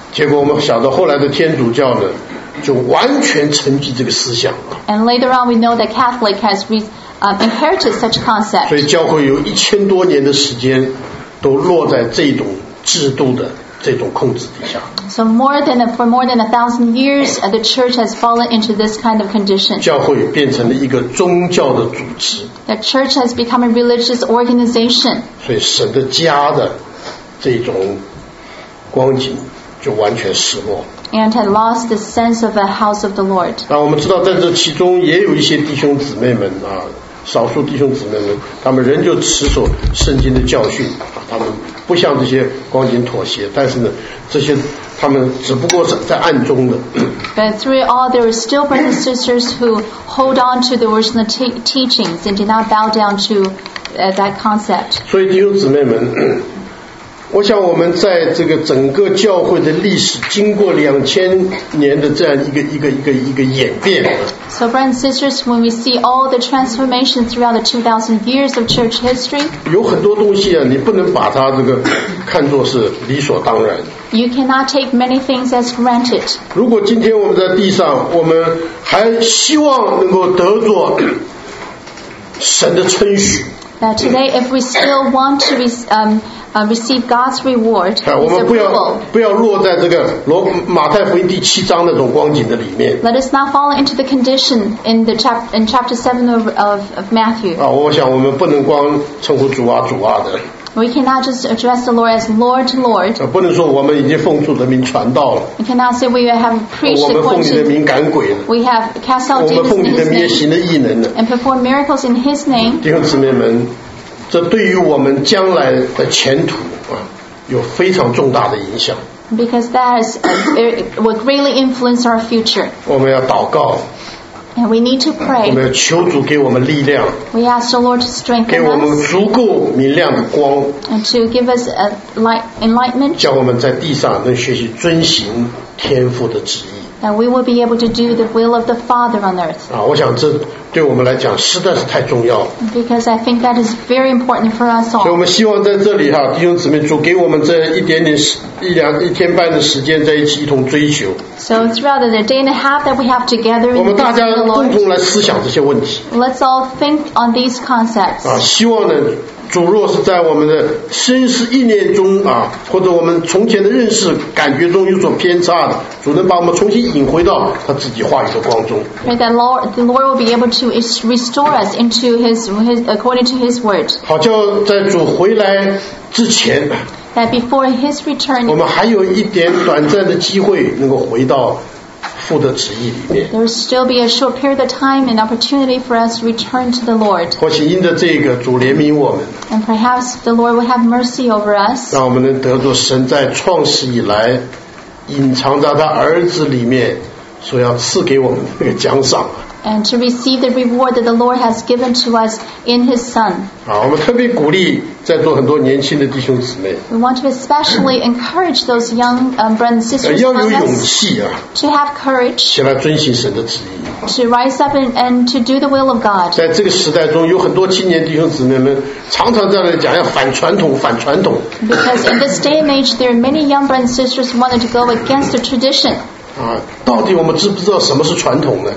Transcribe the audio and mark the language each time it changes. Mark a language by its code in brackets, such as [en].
[zh] 结果我们晓得后来的天主教呢，就完全沉寂这个思想。 [en] And later on, we know that Catholic has inherited such concept. [zh] 所以教会有一千多年的时间都落在这种制度的这种控制底下。 [en] So for more than 1,000 years, the church has fallen into this kind of condition. [zh] 教会变成了一个宗教的组织。 [en] The church has become a religious organization. [zh] 所以神的家的这种光景就完全失落。 [en] And had lost the sense of the house of the Lord. [zh] 那我们知道，在这其中也有一些弟兄姊妹们啊。少数弟兄姊妹们，他们仍旧持守圣经的教训，他们不向这些光景妥协。但是呢，这些他们只不过是在暗中的。 [en] But through all, there are still brothers and sisters who hold on to the original teachings and do not bow down to that concept. [zh] 所以弟兄姊妹们，我想我们在这个整个教会的历史经过2000年的这样一个演变。 [en] So brothers and sisters, when we see all the transformations throughout the 2000 years of church history, [zh] 有很多东西啊，你不能把它这个看作是理所当然。 [en] You cannot take many things as granted. [zh] 如果今天我们在地上，我们还希望能够得着神的称许。 [en] Now today, if we still want to receive God's reward, let us not fall into the condition in chapter 7 of Matthew. [zh] 啊，我想我们不能光称呼主啊，主啊的。 [en] We cannot just address the Lord as Lord, Lord. We cannot say we have preached the Lord. We have cast out demons in His name and performed miracles in His name. [zh] 弟兄姊妹们，这对于我们将来的前途有非常重大的影响。 [en] Because that is, it will greatly influence our future. [zh] 我们要祷告。 [en] And we need to pray. We ask the Lord to strengthen us and to give us enlightenment that we will be able to do the will of the Father on earth. Because I think that is very important for us all. So we hope that here, [zh] 弟兄姊妹，主给我们这一点点一天半的时间在一起一同追求。 [en] So throughout the day and a half that we have together, [zh] 我们大家共同来思想这些问题。 [en] Let's all think on these concepts. [zh] 啊，希望呢，主若是在我们的心思意念中啊，或者我们从前的认识感觉中有所偏差的，主能把我们重新引回到他自己话语的光中。 [en] Pray that the Lord will be able to restore us into His according to His word. [zh] 好，就在主回来之前。 [en] That before His return, [zh] 我们还有一点短暂的机会能够回到父的旨意里面。 [en] There will still be a short period of time and opportunity for us to return to the Lord. [zh] 或许因着这个，主怜悯我们。 [en] And perhaps the Lord will have mercy over us. [zh] 让我们能得着神在创世以来隐藏在他儿子里面所要赐给我们的那个奖赏。 [en] And to receive the reward that the Lord has given to us in His Son. [zh] 啊，我们特别鼓励在座很多年轻的弟兄姊妹。 [en] We want to especially encourage those young brothers and sisters. [zh] 要有勇气啊。 [en] To have courage. [zh] 起来遵行神的旨意。 [en] To rise up and to do the will of God. [zh] 在这个时代中，有很多青年弟兄姊妹们常常在那里讲要反传统，反传统。 [en] Because in this day and age, there are many young brothers and sisters wanting to go against the tradition. [zh] 啊，到底我们知不知道什么是传统呢？